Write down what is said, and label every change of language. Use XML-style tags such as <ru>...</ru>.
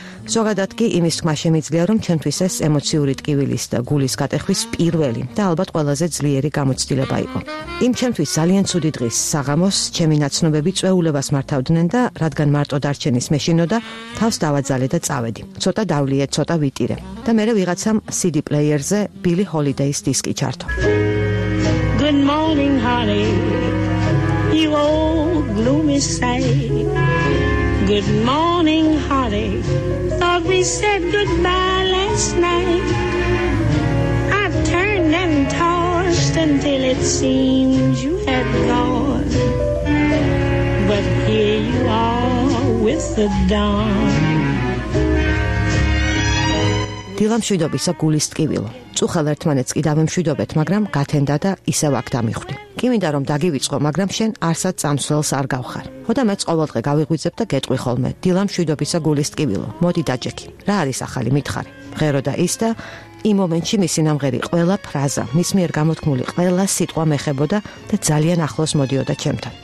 <ka>ზოგადად კი იმის თქმა შემიძლია, რომ ჩემთვის ეს ემოციური ტკივილის და გულის გატეხვის პირველი და ალბათ ყველაზე ძლიერი გამოცდილება იყო. იმ ჩემთვის ძალიან ცუდი დღის საღამოს ჩემი ნაცნობები წვეულებას მართავდნენ და რადგან მარტო დარჩენის მეშინოდა, თავს დავაძალე და წავედი. ცოტა დავლიე, ცოტა ვიტირე. და მერე ვიღაცამ CD პლეიერზე ბილი ჰოლიდეის დისკი ჩართო.</ka> <en>Good morning, honey, you old gloomy sight. Good morning, honey, thought we said goodbye last night. I turned and tossed until it seems you had gone. But here you are with the dawn.</en> <ka>დილამ შვიდობისა გულის ტკივილო. წუხალ ერთმანეთს კი დავემშვიდობეთ, მაგრამ გათენდა და ისევ აქ დამიხვდი. კი მინდა რომ დაგივიწყო, მაგრამ შენ არსად წამსვლელს არ გავხარ. ხო და მე ყოველდღე გავიღვიძებ და გეტყვი ხოლმე. დილა მშვიდობისა გულის ტკივილო. მოდი დაჯექი. რა არის ახალი მითხარი? მღერო და ის და იმ მომენტში მისი ნამღერი ყველა ფრაზა, მის მიერ გამოთქმული ყველა სიტყვა მეხებოდა და ძალიან ახლოს მოდიოდა ჩემთან.</ka>